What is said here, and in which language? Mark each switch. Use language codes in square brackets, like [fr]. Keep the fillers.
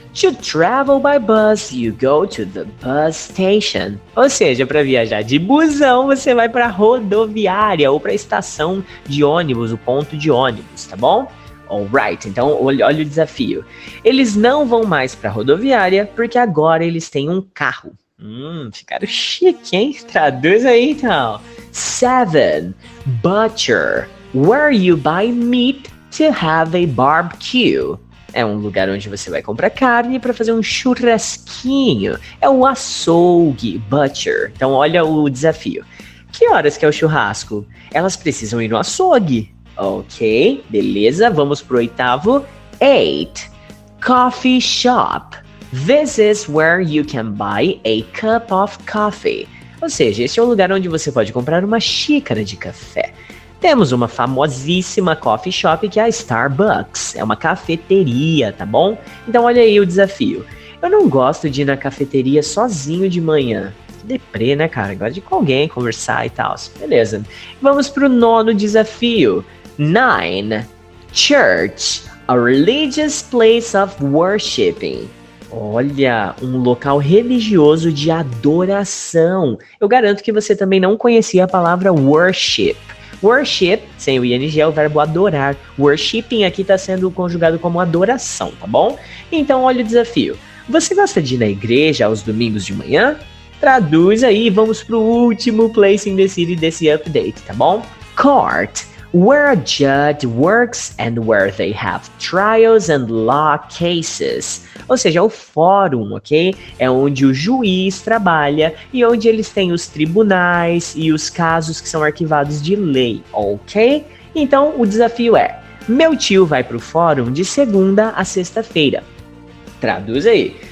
[en] To travel by bus, you go to the bus station. [pt] Ou seja, para viajar de busão, você vai para rodoviária ou para estação de ônibus, o ponto de ônibus, tá bom? Alright, então olha, o desafio. Eles não vão mais para a rodoviária porque agora eles têm um carro. Hum, ficaram chique, hein? Traduz aí então. [en] Seven, butcher, where you buy meat to have a barbecue. [pt] É um lugar onde você vai comprar carne para fazer um churrasquinho. É o açougue, butcher. Então olha o desafio. Que horas que é o churrasco? Elas precisam ir no açougue. Ok, beleza. Vamos pro oitavo. Eight. [en] Coffee shop. This is where you can buy a cup of coffee. [pt] Ou seja, esse é o um lugar onde você pode comprar uma xícara de café. Temos uma famosíssima coffee shop que é a Starbucks. É uma cafeteria, tá bom? Então olha aí o desafio. Eu não gosto de ir na cafeteria sozinho de manhã. Deprê, né, cara? Gosto de ir com alguém, conversar e tal. Beleza. Vamos pro nono desafio. 9. [en] Church, a religious place of worshiping. [pt] Olha, um local religioso de adoração. Eu garanto que você também não conhecia a palavra worship. Worship, sem o ING, é o verbo adorar. Worshipping aqui está sendo conjugado como adoração, tá bom? Então, olha o desafio. Você gosta de ir na igreja aos domingos de manhã? Traduz aí, vamos para o último [en] place in the city [pt] desse update, tá bom? [en] Court, where a judge works and where they have trials and law cases. [pt] Ou seja, é o fórum, ok? É onde o juiz trabalha e onde eles têm os tribunais e os casos que são arquivados de lei, ok? Então o desafio é: meu tio vai para o fórum de segunda a sexta-feira. Traduz aí.